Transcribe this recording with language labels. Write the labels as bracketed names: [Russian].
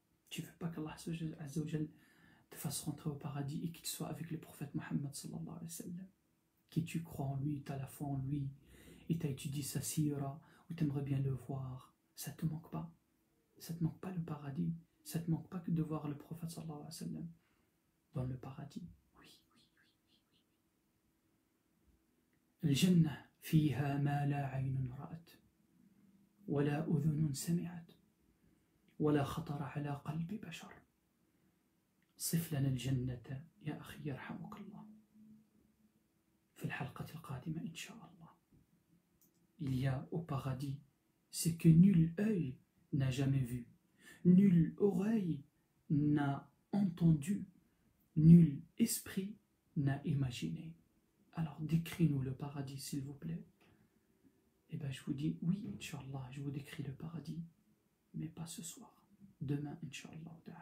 [French] Tu ne veux pas qu'Allah Azzawajal te fasse rentrer au paradis et qu'il soit avec le prophète Mohammed sallallahu alayhi wa sallam, qui tu crois en lui, tu as la foi en lui, et tu as étudié sa sira, ou tu aimerais bien le voir. Ça ne te manque pas. Ça ne te manque pas le paradis. Ça ne te manque pas que de voir le prophète sallallahu alayhi wa sallam dans le paradis. Oui, oui, oui, oui, oui. Al-Jannah. [Arabic] فيها ما لا عين رأت ولا أذن سمعت ولا خطر على قلب بشر. صف لنا الجنة يا أخي يرحمك الله في الحلقة القادمة إن شاء الله. [French] Il y a au paradis ce que nul œil n'a jamais vu, nul oreille n'a entendu, nul esprit n'a imaginé. Alors décris-nous le paradis, s'il vous plaît. Eh bien, je vous dis, oui, Inch'Allah, je vous décris le paradis, mais pas ce soir. Demain, Inch'Allah.